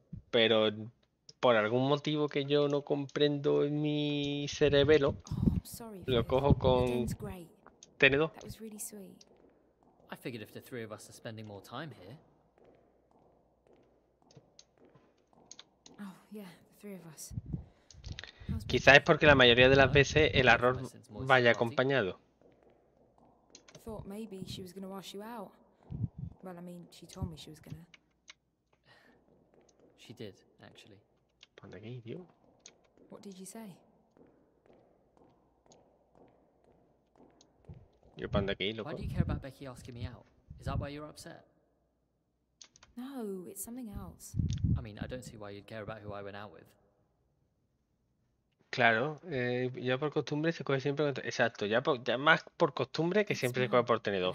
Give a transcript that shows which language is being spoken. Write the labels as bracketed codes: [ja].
[es] Pero por algún motivo que yo no comprendo en mi cerebelo, lo cojo con tenedor. [en] That was really sweet. I figured if the three of us are spending more time here. Oh, yeah, the three of us. [es] Quizás es porque la mayoría de las veces el arroz vaya acompañado. [en] I thought maybe she was gonna wash you out. Well, I mean, she told me she was gonna. She did, actually. What did you say? Why do you care about Becky asking me out? Is that why you're upset? No, it's something else. I mean, I don't see why you'd care about who I went out with. [es] Claro, ya por costumbre se coge siempre con tenedor. Exacto, ya más por costumbre que siempre se coge por tenedor.